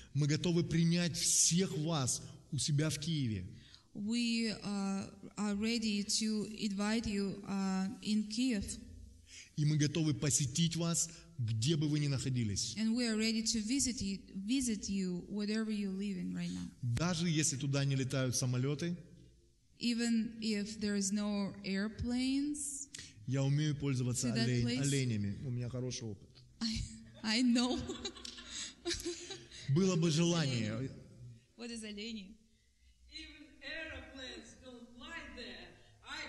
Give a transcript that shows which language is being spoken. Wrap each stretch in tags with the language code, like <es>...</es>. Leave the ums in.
<ru>Мы готовы принять всех вас у себя в Киеве.</ru> <en>We uh, are ready to invite you uh, in Kiev.</en> <ru>И мы готовы посетить вас, где бы вы ни находились.</ru> <en>And we are ready to visit you, visit you wherever you live in right now.</en> <ru>Даже если туда не летают самолеты.</ru> <en>Even if there is no airplanes.</en> <ru>Я умею пользоваться олень, place, оленями. У меня хороший опыт.</ru> <en>I, I know.</en> <ru>Было бы желание.</ru> <en>What is олени? Even aeroplanes don't fly there. I</en>